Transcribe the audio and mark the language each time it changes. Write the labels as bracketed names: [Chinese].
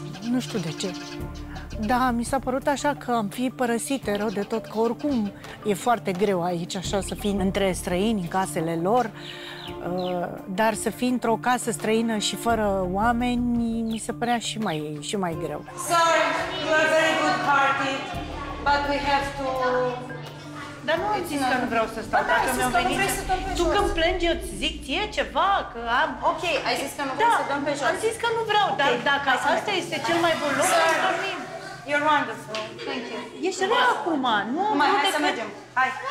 [Romanian] Nu știu de ce. Da, mi s-a părut așa că am fi părăsite rău de tot, că oricum e foarte greu aici așa să fii între străini, în casele lor, dar să fii într-o casă străină și fără oameni, mi se părea și mai greu. [English] Sorry, you are very good hearted, but we have to... [Romanian] Dar nu zic că nu vreau să stau, da, că mi-au venit... Tu când plângi, eu îți zic ție ceva, că am... Ok, ai zis că nu vreau să dăm pe jos. Am zis că nu vreau, dar dacă asta este cel mai bun loc, să dormim. [English] You're wonderful. Thank you. [Romanian] Ești rău acum, nu? Mai, hai să mergem. Hai.